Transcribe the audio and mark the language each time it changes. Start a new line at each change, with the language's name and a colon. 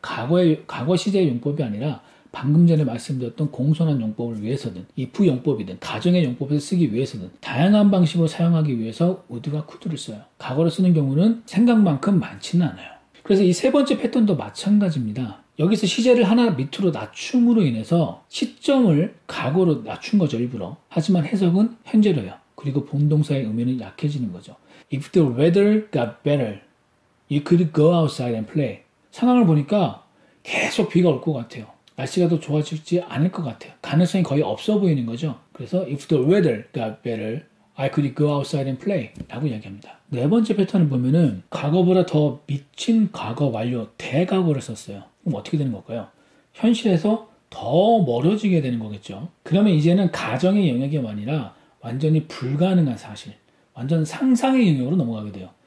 Korean: 과거 시제의 용법이 아니라 방금 전에 말씀드렸던 공손한 용법을 위해서든 if 용법이든 가정의 용법에서 쓰기 위해서든 다양한 방식으로 사용하기 위해서 would와 could를 써요. 과거로 쓰는 경우는 생각만큼 많지는 않아요. 그래서 이 세 번째 패턴도 마찬가지입니다. 여기서 시제를 하나 밑으로 낮춤으로 인해서 시점을 과거로 낮춘 거죠, 일부러. 하지만 해석은 현재로요. 그리고 본동사의 의미는 약해지는 거죠.
English: If the weather got better, you could go outside and play.
Korean: 상황을 보니까 계속 비가 올 것 같아요. 날씨가 더 좋아지지 않을 것 같아요. 가능성이 거의 없어 보이는 거죠. 그래서
English: If the weather got better, I could go outside and play
Korean: 라고 이야기합니다. 네 번째 패턴을 보면은 과거보다 더 미친 과거 완료 대과거를 썼어요. 그럼 어떻게 되는 걸까요? 현실에서 더 멀어지게 되는 거겠죠. 그러면 이제는 가정의 영역이 아니라 완전히 불가능한 사실, 완전 상상의 영역으로 넘어가게 돼요.